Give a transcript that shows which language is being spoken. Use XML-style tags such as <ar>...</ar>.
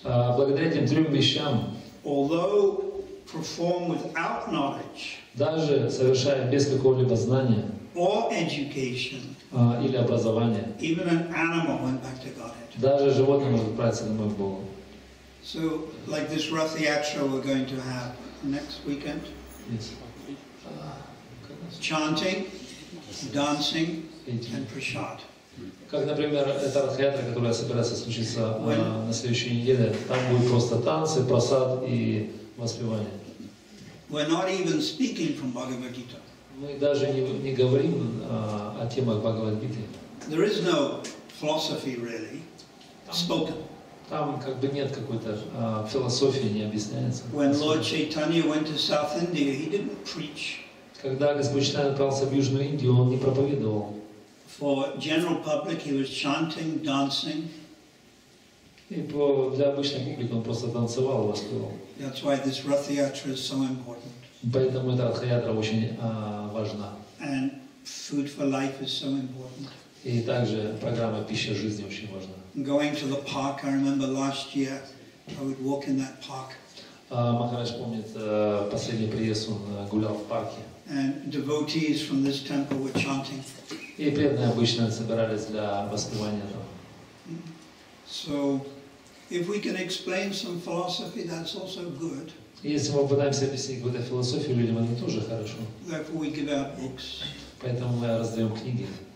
<ru>Благодаря этим трем вещам.</ru> <en>Although perform without knowledge.</en> <ru>Даже совершая без какого-либо знания.</ru> <en>Or education.</en> <ru>Или образование.</ru> <en>Even an animal went back to Godhead.</en> <ru>Даже животное может отправиться домой к Богу.</ru> <en>So, like this Rath Yatra we're going to have next weekend. Yes. Chanting, dancing, and prasad.</en> <ru>Как, например, эта Рath Yatra, которая собирается случиться на следующей неделе, там будет просто танцы, прасад и воспевание.</ru> <en>We're not even speaking from Bhagavad Gita.</en> <ru>Мы даже не говорим о темах Бхагавад-гиты.</ru> <en>There is no philosophy really spoken.</en> <ru>Там как бы нет какой-то философии, не объясняется.</ru> <en>When Lord Chaitanya went to South India, he didn't preach.</en> <ru>Когда Господь Чайтанья отправился в Южную Индию, он не проповедовал.</ru> <en>For general public, he was chanting, dancing.</en> <ru>И для обычной публики он просто танцевал, воспевал.</ru> <en>That's why this Rath Yatra is so important.</en> <ru>Поэтому эта Рath-Yatra очень важна.</ru> <en>And food for life is so important.</en> <ru>И также программа «Пища жизни» очень важна.</ru> <en>Going to the park, I remember last year, I would walk in that park.</en> <ru>Махарадж помнит, последний приезд он гулял в парке.</ru> <en>And devotees from this temple were chanting.</en> <ru>И преданные обычно собирались для воспевания там.</ru> <en>So, if we can explain some philosophy, that's also good.</en> <ru>Если мы пытаемся объяснить какую-то философию людям, это тоже хорошо.</ru> <en>Therefore we give out books.</en> <ru>Поэтому мы раздаем книги.</ru>